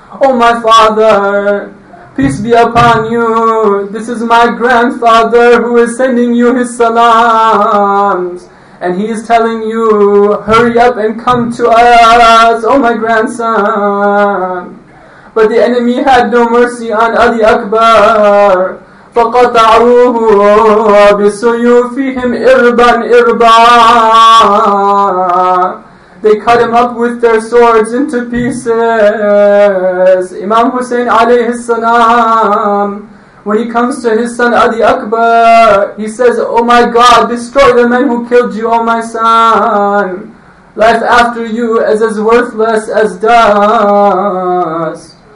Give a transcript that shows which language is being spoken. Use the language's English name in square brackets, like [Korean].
[English] Oh my father, peace be upon you, this is my grandfather who is sending you his salams, and he is telling you, hurry up and come to us, oh my grandson. But the enemy had no mercy on Ali Akbar. [Arabic] فَقَطَعُوهُ بِسُيُوفِهِمْ إِرْبًا إِرْبًا. [English] They cut him up with their swords into pieces. Imam Hussein alayhi salam, when he comes to his son Ali Akbar, he says, Oh my God, destroy the men who killed you, oh my son. Life after you is as worthless as dust.